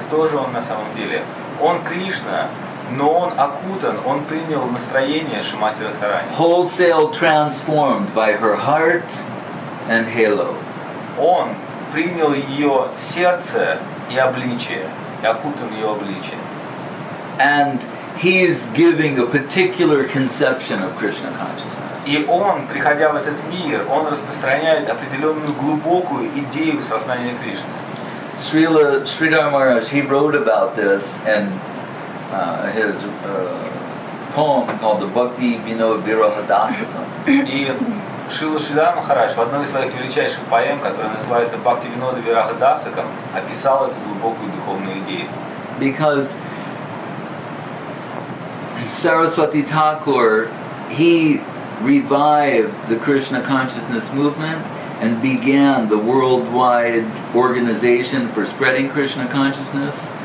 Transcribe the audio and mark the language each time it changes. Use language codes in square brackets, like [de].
[ru] Кто же он на самом деле? Он Кришна, но он окутан, он принял настроение Шримати Радхарани. [en] Wholesale transformed by her heart and halo. [ru] Он принял ее сердце и обличие, и окутан ее обличием. [en] And he is giving a particular conception of Krishna consciousness. [ru] И он, приходя в этот мир, он распространяет определенную глубокую идею сознания Кришны. [en] Srila Sridhar Maharaj, he wrote about this in his poem called the Bhakti Vinod Virahadasa. [ru] И Шрила Шридхар Махарадж в одной из своих величайших поэм, которая называется «Бхактивинода Вираха Дасакам», описал эту глубокую духовную идею. [en] Because Saraswati Thakur, he revived the Krishna consciousness movement and began the worldwide organization for spreading Krishna consciousness.